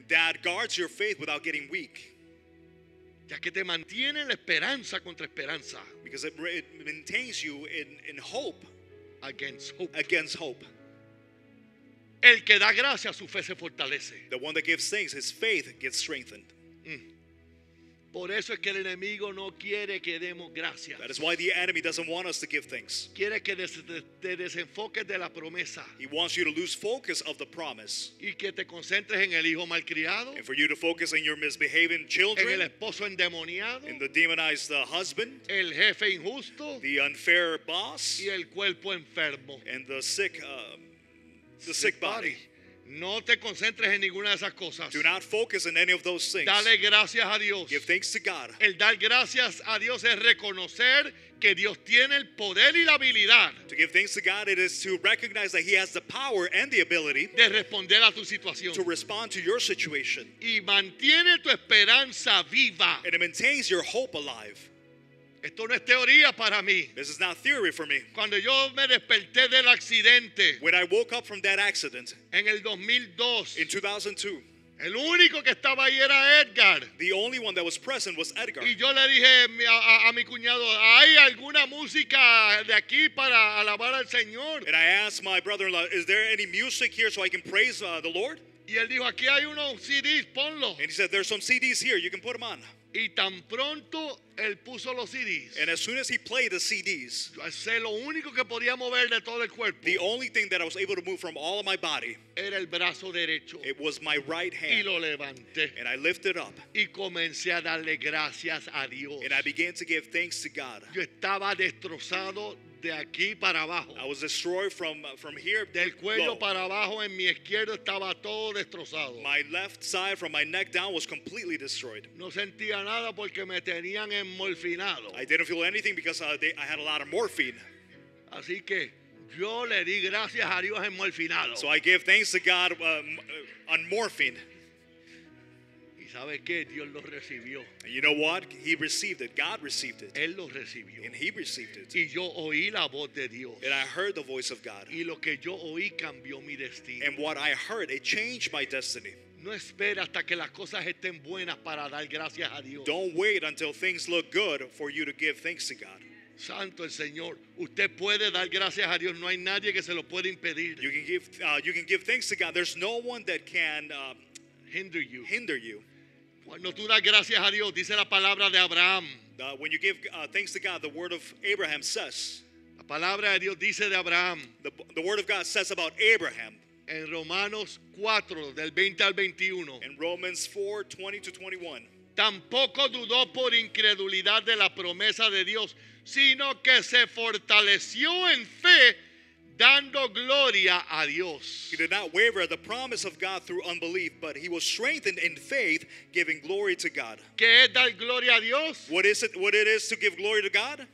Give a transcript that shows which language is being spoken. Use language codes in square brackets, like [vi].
[en] That guards your faith without getting weak. [es] Ya que te mantiene la esperanza contra esperanza. [en] Because it maintains you in hope. Against hope. Against hope. [es] El que da gracias, su fe se fortalece. [en] The one that gives thanks, his faith gets strengthened. [es] Por eso es que el enemigo no quiere que demos gracias. [en] That is why the enemy doesn't want us to give thanks. [es] Quiere que te desenfoques de la promesa. [en] He wants you to lose focus of the promise. [es] Y que te concentres en el hijo malcriado. [en] And for you to focus on your misbehaving children. [es] En el esposo endemoniado. [en] In the demonized husband. [es] El jefe injusto. [en] The unfair boss. [es] Y el cuerpo enfermo. [en] And the sick body. [es] No te concentres en ninguna de esas cosas. [en] Do not focus on any of those things. [es] Dale gracias a Dios. [en] Give thanks to God. [es] El dar gracias a Dios es reconocer que Dios tiene el poder y la habilidad. [en] To give thanks to God, it is to recognize that he has the power and the ability [es] de responder a tu situación. [en] To respond to your situation. [es] Y mantiene tu esperanza viva. [en] And it maintains your hope alive. [es] Esto no es teoría para mí. [en] This is not theory for me. [es] Cuando yo me desperté del accidente, [en] when I woke up from that accident, [es] en el 2002, [en] in 2002, [es] el único que estaba ahí era Edgar. [en] The only one that was present was Edgar. [es] Y yo le dije a mi cuñado, ¿hay alguna música de aquí para alabar al Señor? [en] And I asked my brother-in-law, is there any music here so I can praise the Lord? [es] Y él dijo, aquí hay unos CDs, ponlo. [en] And he said, there's some CDs here, you can put them on. [es] Y tan pronto él puso los CDs. [en] And as soon as he played the CDs, [es] yo sé lo único que podía mover de todo el cuerpo. [en] The only thing that I was able to move from all of my body, [es] era el brazo derecho. [en] It was my right hand. [es] Y lo levanté. [en] And I lifted up. [es] Y comencé a darle gracias a Dios. [en] And I began to give thanks to God. [es] Yo estaba destrozado de aquí para abajo. [en] I was destroyed from here. [es] Del cuello para abajo en mi izquierdo estaba todo destrozado. [en] My left side from my neck down was completely destroyed. [es] No sentía nada porque me tenían enmorfinado. [en] I didn't feel anything because I had a lot of morphine. [es] Así que yo le di gracias a Dios enmorfinado. [en] So I gave thanks to God on morphine. [es] ¿Y sabe qué? Dios lo recibió. [en] And you know what? He received it. God received it. [es] Él lo recibió. [en] And he received it. [es] Y yo oí la voz de Dios. [en] And I heard the voice of God. [es] Y lo que yo oí cambió mi destino. [en] And what I heard, it changed my destiny. [es] No espera hasta que las cosas estén buenas para dar gracias a Dios. [en] Don't wait until things look good for you to give thanks to God. [es] Santo el Señor, usted puede dar gracias a Dios. No hay nadie que se lo pueda impedir. [en] You can give thanks to God. There's no one that can hinder you. [es] Cuando tú das gracias a Dios, dice la palabra de Abraham. [en] When you give thanks to God, the word of Abraham says. [es] La palabra de Dios dice de Abraham. [en] The word of God says about Abraham. [es] En Romanos 4, del 20 al 21. [en] In Romans 4, 20 to 21. [es] Tampoco dudó por incredulidad de la promesa de Dios, sino que se fortaleció en fe, dando gloria a Dios. [en] He did not waver at the promise of God through unbelief, but he was strengthened in faith, giving glory to God. [es] ¿Qué es dar gloria a Dios? [en] What is it? What it is to give glory to God?